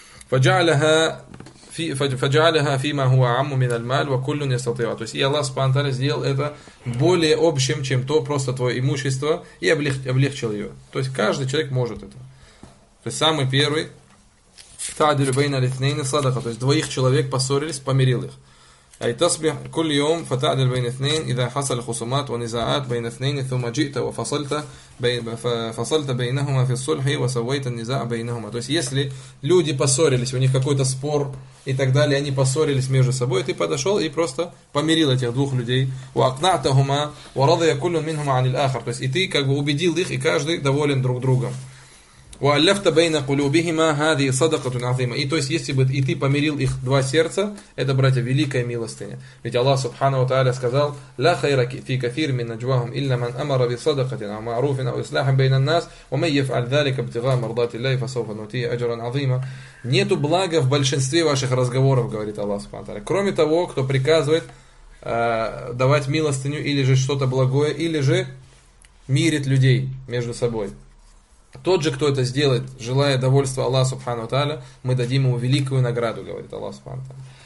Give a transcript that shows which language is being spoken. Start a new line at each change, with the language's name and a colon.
Arabic: Фаджааляха фима хуа амму миналь маль ва куллю нестатива.
Russian: То есть и Аллах Субхану Тааля сделал это более общим, чем то просто твое имущество, и облегчил ее. То есть каждый человек может это. То есть самый первый.
Arabic: تعدل بين الاثنين صدقة.
Russian: То есть двоих человек поссорились, помирил их.
Arabic: أي تصبح كل يوم فتعدل بين اثنين إذا حصل خصومات ونزاعات بين اثنين ثم جئت وفصلت فصلت بينهما في الصلح وسويت النزاع بينهما.
Russian: То есть если люди поссорились, у них какой-то спор и так далее, они поссорились между собой, ты подошел и просто помирил этих двух людей.
Arabic: وأقنعتهما ورضي كل منهما عن الآخر.
Russian: То есть и ты как бы убедил их, и каждый доволен друг другом.
Arabic: وألفت بين قلوبهما هذه صدقة عظيمة.
Russian: И то есть, если бы и ты помирил их два сердца, это, братья, великая милостыня. Ведь Аллах Субхана ва Тааля сказал:
Arabic: لا خير في كثير من نجواهم إلا من أمر بصدقة أو معروف أو إصلاح بين الناس ومن يفعل ذلك ابتغاء مرضات الله فسوف نؤتيه أجرا عظيما.
Russian: Нету блага в большинстве ваших разговоров, говорит Аллах Субхана ва Тааля. Кроме того, кто приказывает давать милостыню или же что-то благое, или же мирит людей между собой. Тот же, кто это сделает, желая довольства Аллаха Субхану Тааля, мы дадим ему великую награду, говорит Аллах Субхану Тааля.